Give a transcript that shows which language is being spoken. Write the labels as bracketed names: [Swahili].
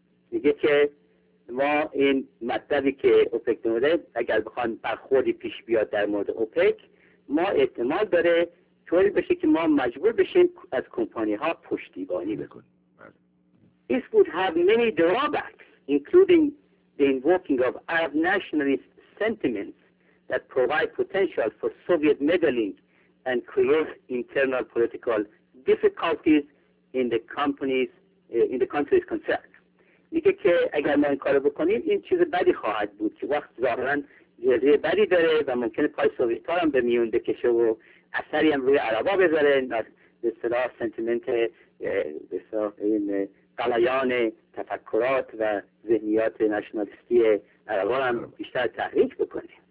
[Persian] میگه که ما این مطلبی که OPEC نموده اگر بخوان برخوردی پیش بیاد در مورد OPEC ما احتمال داره طوری بشه که ما مجبور بشیم از کمپانی ها پشتیبانی بکنیم. [English] This would have many drawbacks, including the invoking of Arab nationalist sentiments that provide potential for Soviet meddling and create internal political difficulties in the companies, in the countries concerned. [Persian] میگه که اگر ما این کار رو بکنیم این چیز بدی خواهد بود که وقت ظاهرن جلیه بدی داره و ممکنه پای سوویت ها هم به میون بکشه و اثری هم روی عربا بذاره به اصطلاح سنتیمنت به اصطلاح این قلیان تفکرات و ذهنیات نشنالیستی عربان هم بیشتر تحریک بکنه.